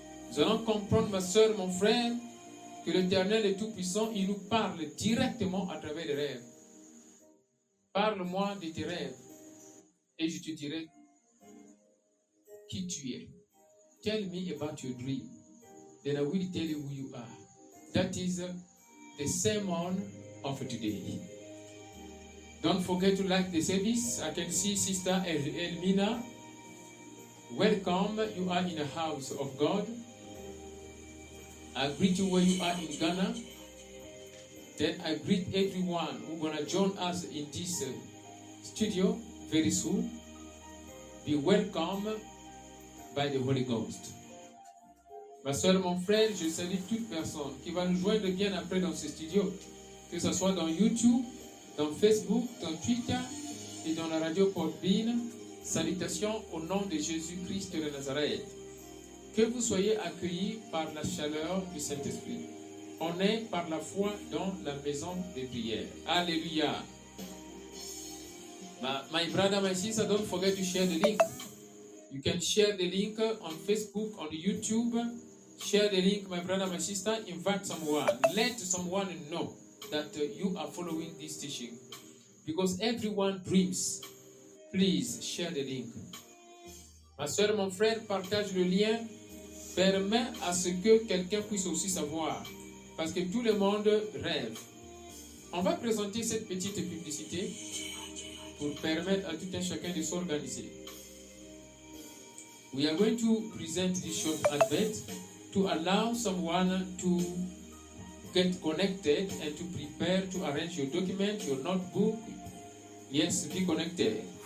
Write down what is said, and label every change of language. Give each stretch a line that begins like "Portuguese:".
French: Nous allons comprendre, ma soeur, mon frère, que l'Éternel est tout-puissant, il nous parle directement à travers les rêves. Parle-moi de tes rêves et je te dirai qui tu es.
English: Tell me about your dream, then I will tell you who you are. That is the sermon of today. Don't forget to like the service. I can see Sister Elmina. Welcome, you are in the house of God. I greet you where you are in Ghana. Then I greet everyone who gonna join us in this studio very soon. Be welcome by the Holy Ghost.
French: Ma soeur, mon frère, je salue toute personne qui va nous joindre bien après dans ce studio, que ce soit dans YouTube, dans Facebook, dans Twitter et dans la radio Podbean. Salutations au nom de Jésus-Christ de Nazareth. Que vous soyez accueillis par la chaleur du Saint-Esprit. On est par la foi dans la maison de prière. Alléluia.
English: My brother, my sister, don't forget to share the link. You can share the link on Facebook, on YouTube. Share the link, my brother, my sister. Invite someone. Let someone know that you are following this teaching. Because everyone dreams. Please share the link.
French: Ma soeur, mon frère, partage le lien. Permet à ce que quelqu'un puisse aussi savoir. Parce que tout le monde rêve. On va présenter cette petite publicité pour permettre à tout un chacun de s'organiser.
English: We are going to present this short advert to allow someone to get connected and to prepare to arrange your document, your notebook. Yes, be connected.